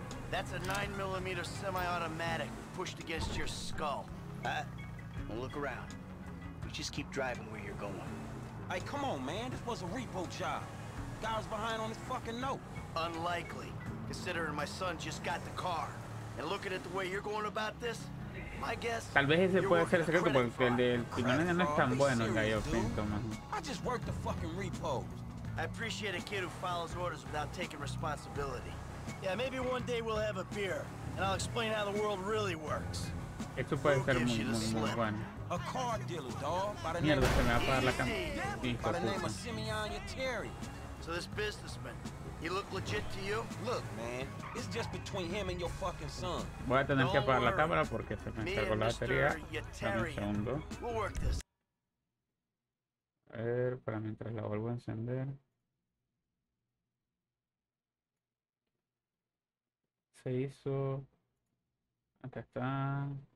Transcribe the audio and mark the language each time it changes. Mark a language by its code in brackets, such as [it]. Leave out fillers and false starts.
[en] That's a 9mm semi-automatic pushed against your skull. Well, look around. You just keep driving where you're going. Hey, come on, man. This was a repo job. Guy was behind on his fucking note. Unlikely, considering my son just got the car. And looking at the way you're going about this, my guess. [es] Tal vez ese puede ser el secreto porque el pinolano no es tan bueno, gallo pinto, man. [en] I just worked the fucking repo. I appreciate a kid who follows orders without taking responsibility. Yeah, maybe one day we'll have a beer and I'll explain how the world really works. [es] Esto puede ser muy bueno. [en] A car dealer, dog. [es] Mierda, se me va a parar la cama. [en] By the name of Simeon Yateri. So this businessman. He look legit to you? Look, man, it's just between him and your fucking son. [es] Voy a tener que apagar la cámara porque se me cargó la batería. Dame un segundo. [en] We'll work this. [es] A ver, para mientras la vuelvo a encender. Se hizo. Acá está.